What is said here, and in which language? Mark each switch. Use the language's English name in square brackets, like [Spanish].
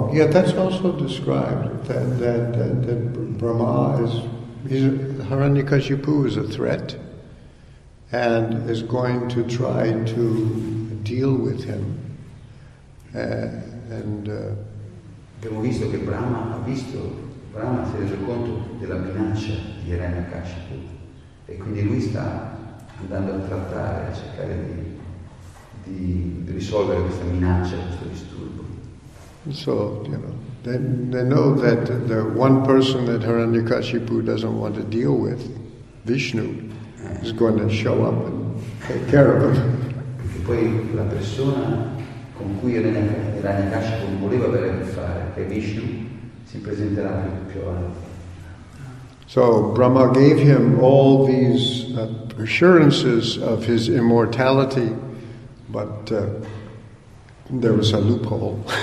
[English] That's also described that Brahma is Hiranyakashipu is a threat and is going to try to deal with him. [Italian] Abbiamo visto che Brahma si è reso conto della minaccia di Hiranyakashipu e quindi lui sta andando a trattare, a cercare di risolvere questa minaccia, questo disturbo. [English] So, you know, they know that the one person that Hiranyakashipu doesn't want to deal with, Vishnu, is going to show up and take care of him. [Italian] E poi la persona con cui Hiranyakashipu non voleva avere a che fare, che Vishnu si presenterà più avanti. [English] So Brahma gave him all these assurances of his immortality, but there was a loophole.